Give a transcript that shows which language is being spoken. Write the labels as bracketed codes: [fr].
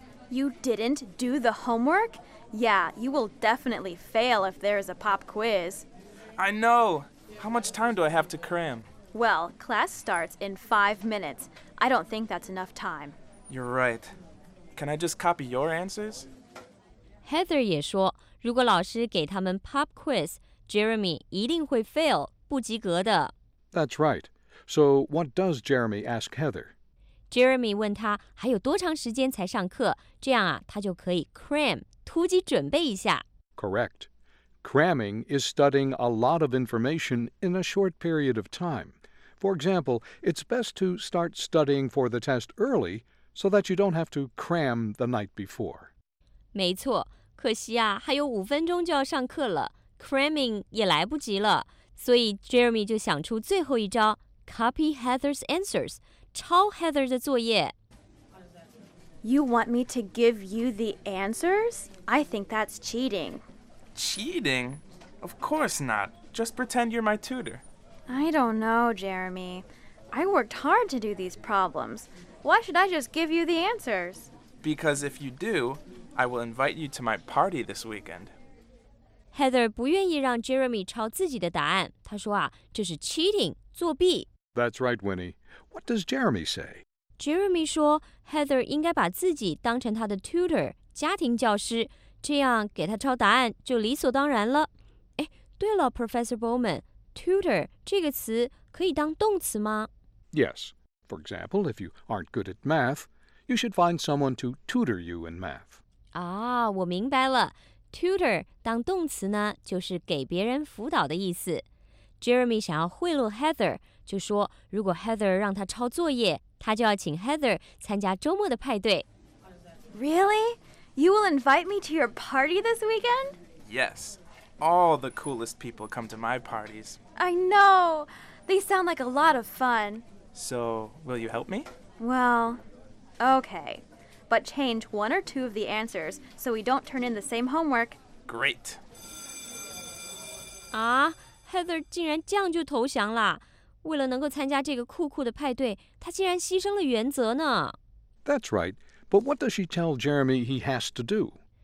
[en] You didn't do the homework? Yeah, you will definitely fail if there is a pop quiz. I know. How much time do I have to cram? Well, class starts in 5 minutes. I don't think that's enough time. You're right. Can I just copy your answers? [zh] Heather 也说，如果老师给他们 pop quiz, Jeremy 一定会 fail, 不及格的。 [en] That's right. So what does Jeremy ask Heather? [zh] Jeremy 问他还有多长时间才上课，这样啊，他就可以 cram, 突击准备一下。 [en] Correct. Cramming is studying a lot of information in a short period of time. For example, it's best to start studying for the test early so that you don't have to cram the night before. [zh] 没错，可惜啊，还有五分钟就要上课了， cramming 也来不及了，所以 Jeremy 就想出最后一招， [en] copy Heather's answers, [zh] 抄 Heather 的作业。 [en] You want me to give you the answers? I think that's cheating. Cheating? Of course not. Just pretend you're my tutor. I don't know, Jeremy. I worked hard to do these problems. Why should I just give you the answers? Because if you do, I will invite you to my party this weekend. [zh] Heather 不愿意让 Jeremy 抄自己的答案。她说啊，这是 cheating, 作弊。 [en] That's right, Winnie. What does Jeremy say? [zh] Jeremy 说 Heather 应该把自己当成他的 tutor, 家庭教师，这样给他抄答案就理所当然了。哎，对了 ,Professor Bowman, tutor 这个词可以当动词吗 [en] ?Yes. For example, if you aren't good at math, you should find someone to tutor you in math. [zh] 啊，我明白了。 Tutor 当动词呢，就是给别人辅导的意思。 Jeremy 想要贿赂 Heather, 就说如果 Heather 让他抄作业，他就要请 Heather 参加周末的派对。 [en] Really? You will invite me to your party this weekend? Yes. All the coolest people come to my parties. I know. They sound like a lot of fun. So, will you help me? Well, okay. But change one or two of the answers so we don't turn in the same homework. Great. [zh] Heather 竟然降就投降了。为了能够参加这个酷酷的派对，她竟然牺牲了原则呢。 [en] That's right. But what does she tell Jeremy he has to do?